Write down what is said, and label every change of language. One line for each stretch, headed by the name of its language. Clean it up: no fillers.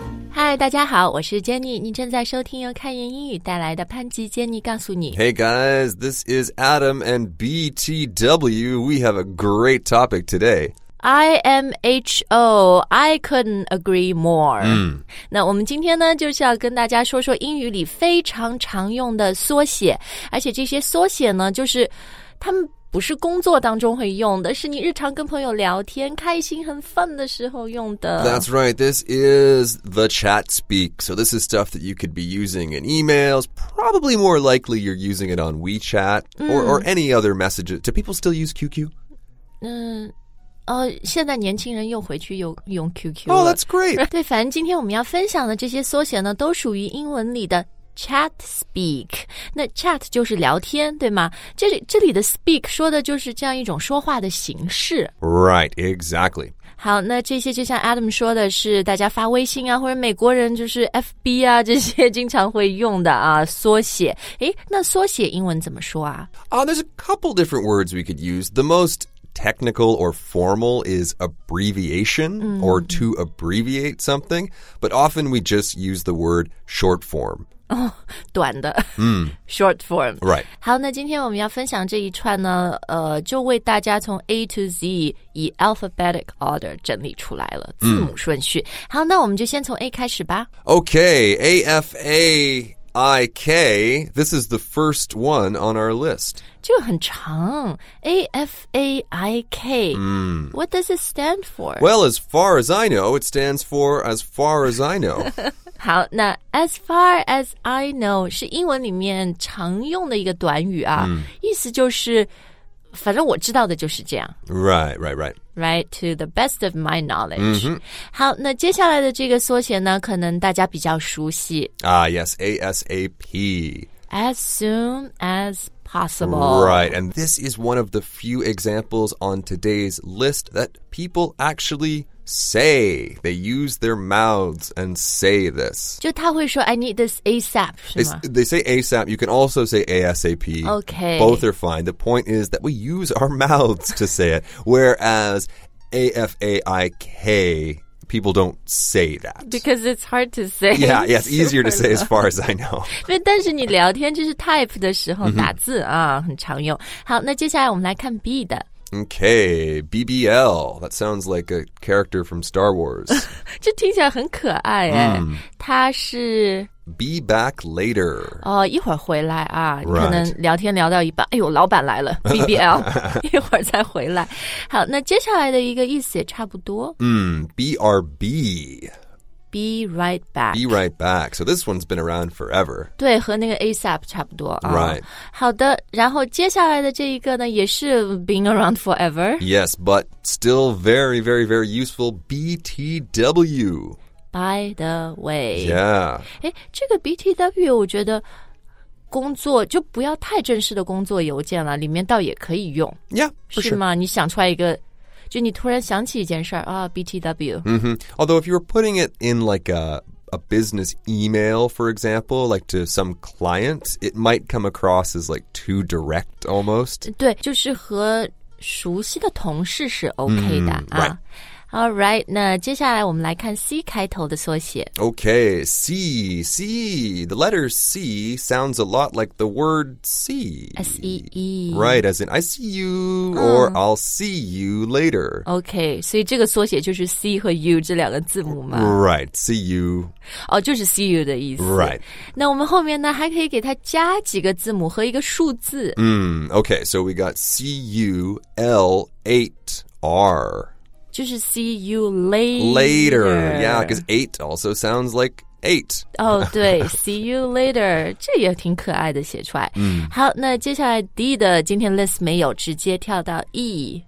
Chinese: 嗨，大家好，我是 Jenny， 你正在收听由看言英语带来的潘吉 Jenny 告诉你。
English: Hey guys, this is Adam and BTW. We have a great topic today. IMHO, I couldn't agree more.
Chinese: 那我们今天呢就是要跟大家说说英语里非常常用的缩写，而且这些缩写呢就是他们不是工作当中会用的，是你日常跟朋友聊天开心很 fun 的时候用的。
English: That's right. This is the chat speak. So this is stuff that you could be using in emails. Probably more likely you're using it on WeChat or any other messages. Do people still use QQ?
Chinese: 现在年轻人又回去用 QQ 了。
English: Oh, that's great.
Chinese: 对，反正今天我们要分享的这些缩写呢，都属于英文里的Chat speak， 那 chat 就是聊天，对吗？这里的 speak 说的就是这样一种说话的形式。
English: Right, exactly.
Chinese: 好，那这些就像 Adam 说的是大家发微信啊，或者美国人就是 FB 啊，这些经常会用的啊，缩写。那缩写英文怎么说啊？
English: There's a couple different words we could use. The most technical or formal is abbreviation, or to abbreviate something. But often we just use the word short form.
Chinese: 短的
English: short form. Right.
Chinese: 好，那今天我们要分享这一串呢，就为大家从
English: A to Z
Chinese: 以
English: alphabetic order
Chinese: 整理出来了，字母顺序。好，那我们就先从 A 开始吧。
English: Okay, A-F-A-I-K, this is the first one on our list.
Chinese: 这个很长，
English: A-F-A-I-K,what does it stand for? Well, as far as I know, it stands for as far as I know.
Chinese: 好，那
English: as far as I know
Chinese: 是英文里面常用的一个短语啊，意思就是反正我知道的就是这样。
English: Right, to the best of my knowledge. Mm-hmm.
Chinese: 好，那接下来的这个缩写呢，可能大家比较熟悉。
English: Yes, ASAP. As soon as possible. Right, and this is one of the few examples on today's list that people actually... say, they use their mouths and say this.
Chinese: 就他会说
English: I need this ASAP,
Chinese: 是吗？
English: They say ASAP, you can also say ASAP. Okay. Both are fine. The point is that we use our mouths to say it, whereas A-F-A-I-K, people don't say that. Because it's hard to say. Yeah, yeah, it's easier to say as far as I know.
Chinese: 但是你聊天就是 type 的时候打字啊，很常用。好，那接下来我们来看 B 的。
English: Okay, BBL. That sounds like a character from Star Wars.
Chinese: 这听起来很可爱哎。它是
English: Be back later.
Chinese: 一会儿回来啊。
English: Right.
Chinese: 可能聊天聊到一半，哎呦，老板来了 ，BBL， 一会儿再回来。好，那接下来的一个意思也差不多。
English: BRB. Be right back. Be right back. So this one's been around forever.
Chinese: 对，和那个 ASAP 差不多。
English: Right.
Chinese: 好的，然后接下来的这一个呢，也是
English: being around forever. Yes, but still very, very, very useful. BTW. By the way. Yeah.
Chinese: 这个 BTW 我觉得工作就不要太正式的工作邮件了，里面倒也可以用。
English: Yeah, for sure.
Chinese: 是吗？你想出来一个就你突然想起一件事儿啊 ，BTW。
English: Although if you were putting it in like a business email, for example, like to some client, it might come across as like too direct almost.
Chinese: 对，就是和熟悉的同事是 OK 的、啊。
English: Right. All right.
Chinese: 那接下来我们来看 C 开头的缩写。
English: Okay. C. C. The letter C sounds a lot like the word see. S E E. Right. As in I see you or I'll see you later. Okay.
Chinese: 所以这个缩写就是 C 和 U 这两个字母嘛。
English: Right. See you.
Chinese: 就是 see you 的意思。
English: Right.
Chinese: 那我们后面呢还可以给它加几个字母和一个数字。
English: Okay. So we got C U L 8 R.
Chinese: 就是
English: see you later. Later, yeah, because 8 also sounds like 8.
Chinese: 对 ,
English: see you later,
Chinese: 这也挺可爱的写出来。好，那接下来 D 的今天 list 没有，直接跳到 E.